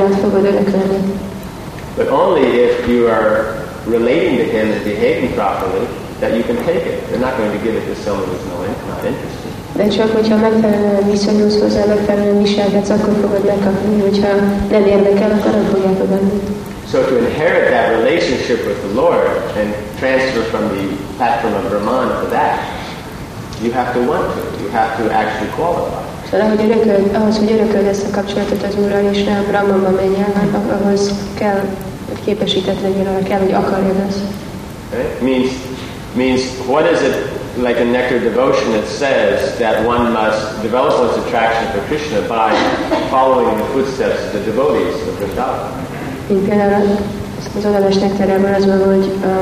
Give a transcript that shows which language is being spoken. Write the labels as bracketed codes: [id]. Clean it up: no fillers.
[en] But only if you are relating to him and behaving properly that you can take it. They're not going to give it to someone who's not interested. [hu] De csak, hogyha megfelelően viszonyulsz hozzá, megfelelően viselkedsz, akkor fogod megkapni, hogyha nem érdekel, akkor nem fogják adni. [en] So to inherit that relationship with the Lord and transfer from the platform of Brahman to that, you have to want to. You have to actually qualify. [hu] So ahhoz, hogy örököld ezt a kapcsolatot az Úrral és a Brahmanba menj el, ahhoz kell, hogy képesített legyél arra, kell, hogy akarjad ezt. [en] Okay? Means what is it like in Nectar Devotion? It says that one must develop one's attraction for Krishna by following the footsteps of the devotees of Vrindavan. [hu] Mint például az odalás nektárjában az van, hogy